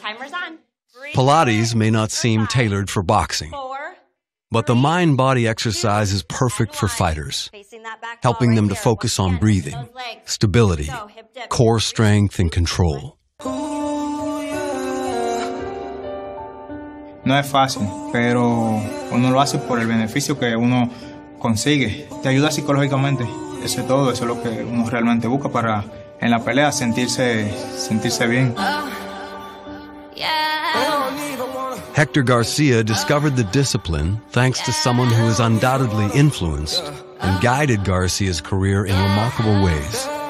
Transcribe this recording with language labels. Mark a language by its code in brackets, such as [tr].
[en] Timer's on. Pilates may not seem tailored for boxing, but the mind-body exercise is perfect for fighters, helping them to focus on breathing, stability, core strength, and control. [es] No es fácil, pero uno lo hace por el beneficio que uno consigue. Te ayuda psicológicamente, eso es todo, eso es lo que uno realmente busca para en la pelea sentirse bien. [en] Hector Garcia discovered the discipline thanks to someone who has undoubtedly influenced and guided Garcia's career in remarkable ways.